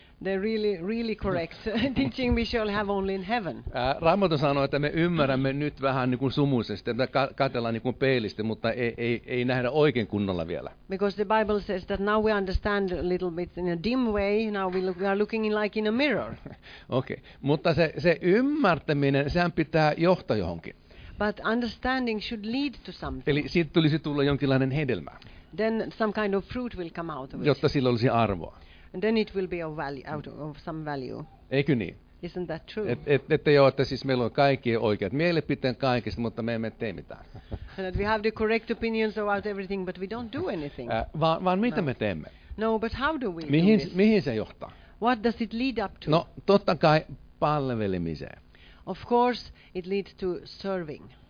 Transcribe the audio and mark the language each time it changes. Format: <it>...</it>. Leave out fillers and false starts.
<en>The really, really correct teaching we shall have only in heaven.</en> <fi>Raamattu sanoo, että me ymmärrämme nyt vähän niin kuin sumuisesti, että me katsellaan niin kuin peilistä, mutta ei nähdä oikein kunnolla vielä.</fi> <en>Because the Bible says that now we understand a little bit in a dim way, now we are looking in like in a mirror. Okei, okay.</en> <fi>Mutta se ymmärtäminen, sehän pitää johtaa johonkin.</fi> <en>But understanding should lead to something.</en> <fi>Eli siitä tulisi tulla jonkinlainen hedelmä.</fi> <en>Then some kind of fruit will come out of it.</en> <fi>Jotta sillä olisi arvoa.</fi> <en>And then it will be of value, out of some value.</en> <fi>Eikö niin?</fi> <en>Isn't that true?</en> <fi>Että joo, että siis meillä on kaikki oikeat mielipiteet kaikista, mutta me emme tee mitään.</fi> <en>And that we have the correct opinions about everything, but we don't do anything.</en> <fi>Vaan mitä me teemme?</fi> <en>No, but how do we do this?</en> <fi>Mihin se johtaa?</fi> <en>What does it lead up to?</en> <fi>No, totta kai palvelemiseen.</fi> <en>Of course, it leads to serving.</en>